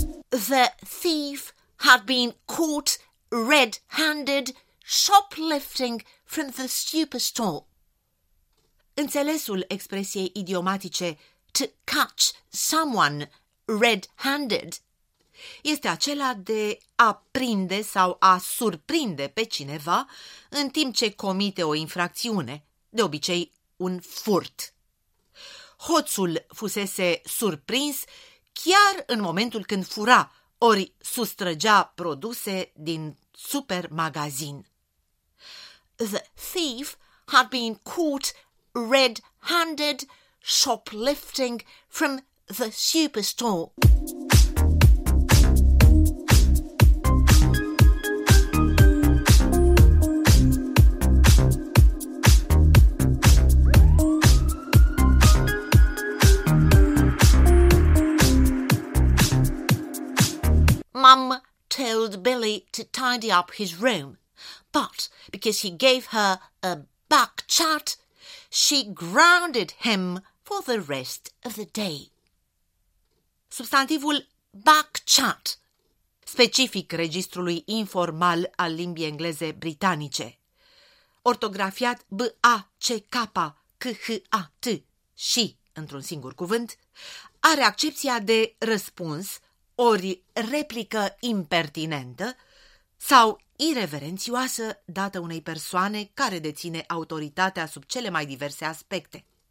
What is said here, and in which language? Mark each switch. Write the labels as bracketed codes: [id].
[en] The thief had been caught red-handed shoplifting from the superstore. [ro] Înțelesul expresiei idiomatice to catch someone red-handed este acela de a prinde sau a surprinde pe cineva în timp ce comite o infracțiune, de obicei un furt. Hoțul fusese surprins chiar în momentul când fura ori sustrăgea produse din supermagazin. [en] The thief had been caught red-handed shoplifting from the superstore. Mum told Billy to tidy up his room, but because he gave her a back chat, she grounded him for the rest of the day. [ro] Substantivul back chat, specific registrului informal al limbii engleze britanice, ortografiat B-A-C-K-K-H-A-T și, într-un singur cuvânt, are accepția de răspuns ori replică impertinentă sau irreverențioasă dată unei persoane care deține autoritatea sub cele mai diverse aspecte,